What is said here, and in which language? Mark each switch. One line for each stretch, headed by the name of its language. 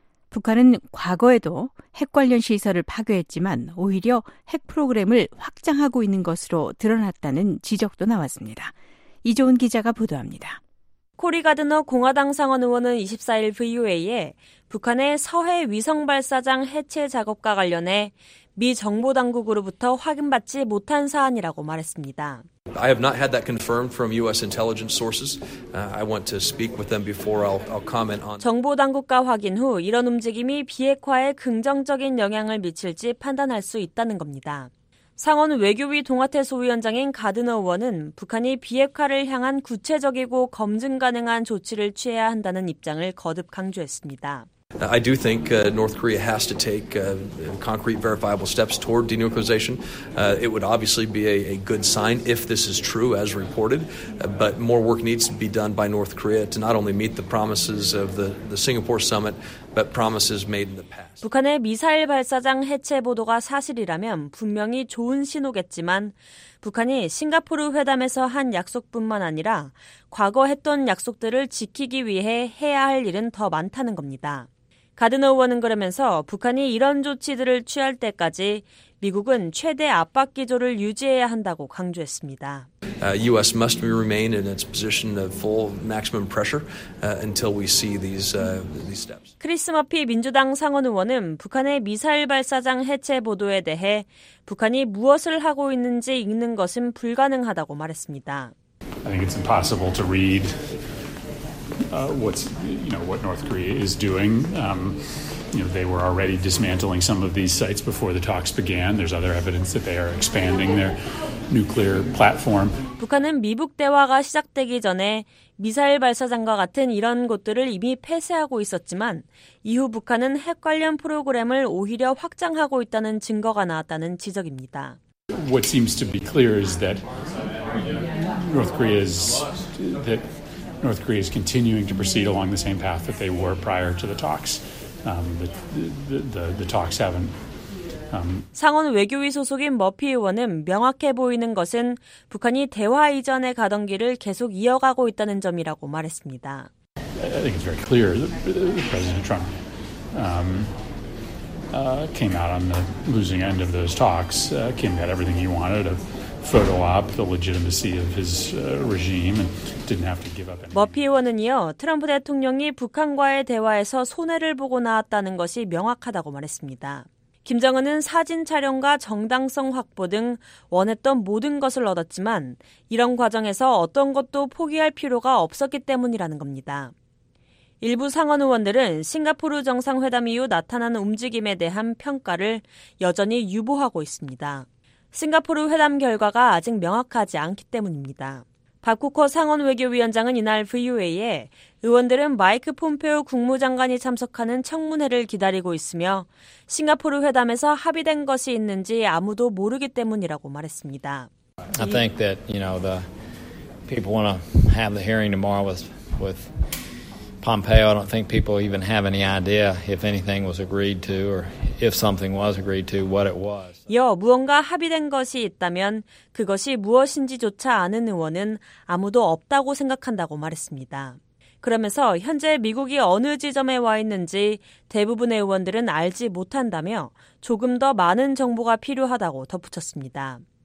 Korean: 북한은 과거에도 핵 관련 시설을 파괴했지만 오히려 핵 프로그램을 확장하고 있는 것으로 드러났다는 지적도 나왔습니다. 이종훈 기자가 보도합니다. 코리 가드너 공화당 상원 의원은 24일 VOA에 북한의 서해 위성발사장 해체 작업과 관련해 미 정보당국으로부터 확인받지 못한 사안이라고 말했습니다.
English: I have not had that confirmed from U.S. intelligence sources. I want to speak with them before I'll comment on.
Korean: 정보 당국과 확인 후 이런 움직임이 비핵화에 긍정적인 영향을 미칠지 판단할 수 있다는 겁니다. 상원 외교위 동아태 소위원장인 가드너 의원은 북한이 비핵화를 향한 구체적이고 검증 가능한 조치를 취해야 한다는 입장을 거듭 강조했습니다.
English: I do think North Korea has to take concrete, verifiable steps toward denuclearization. It would obviously be a good sign if this is true as reported, but more work needs to be done by North Korea to not only meet the promises of the Singapore summit, but promises made in the past.
Korean: 북한의 미사일 발사장 해체 보도가 사실이라면 분명히 좋은 신호겠지만 북한이 싱가포르 회담에서 한 약속뿐만 아니라 과거 했던 약속들을 지키기 위해 해야 할 일은 더 많다는 겁니다. 가드너 의원은 그러면서 북한이 이런 조치들을 취할 때까지 미국은 최대 압박 기조를 유지해야 한다고 강조했습니다.
English: US must remain in its position of full maximum pressure until we see these steps.
Korean: 크리스 머피 민주당 상원 의원은 북한의 미사일 발사장 해체 보도에 대해 북한이 무엇을 하고 있는지 읽는 것은 불가능하다고 말했습니다.
English: I think it's impossible to read what North Korea is doing. They were already dismantling some of these sites before the talks began. There's other evidence that they are expanding their nuclear platform.
Korean: 북한은 미북 대화가 시작되기 전에 미사일 발사장과 같은 이런 곳들을 이미 폐쇄하고 있었지만 이후 북한은 핵 관련 프로그램을 오히려 확장하고 있다는 증거가 나왔다는 지적입니다.
English: What seems to be clear is that North Korea is continuing to proceed along the same path that they were prior to the talks. The talks haven't.
Korean: 상원 외교위 소속인 머피 의원은 명확해 보이는 것은 북한이 대화 이전에 가던 길을 계속 이어가고 있다는 점이라고 말했습니다.
English: I think it's very clear that President Trump came out on the losing end of those talks. Kim got everything he wanted. Photo op, the legitimacy of his regime, and didn't have to give up.
Korean: 머피 의원은 이어 트럼프 대통령이 북한과의 대화에서 손해를 보고 나왔다는 것이 명확하다고 말했습니다. 김정은은 사진 촬영과 정당성 확보 등 원했던 모든 것을 얻었지만 이런 과정에서 어떤 것도 포기할 필요가 없었기 때문이라는 겁니다. 일부 상원 의원들은 싱가포르 정상회담 이후 나타난 움직임에 대한 평가를 여전히 유보하고 있습니다. 싱가포르 회담 결과가 아직 명확하지 않기 때문입니다. 박 쿠커 상원 외교위원장은 이날 VOA에 의원들은 마이크 폼페오 국무장관이 참석하는 청문회를 기다리고 있으며 싱가포르 회담에서 합의된 것이 있는지 아무도 모르기 때문이라고 말했습니다.
English: I think that, you know, the people want to have the hearing tomorrow with Pompeo. I don't think people even have any idea if anything was agreed to or if something was agreed to, what it was.
Korean: 여 무언가 합의된 것이 있다면 그것이 무엇인지조차 아는 의원은 아무도 없다고 생각한다고 말했습니다. 그러면서 현재 미국이 어느 지점에 와 있는지 대부분의 의원들은 알지 못한다며 조금 더 많은 정보가 필요하다고 덧붙였습니다.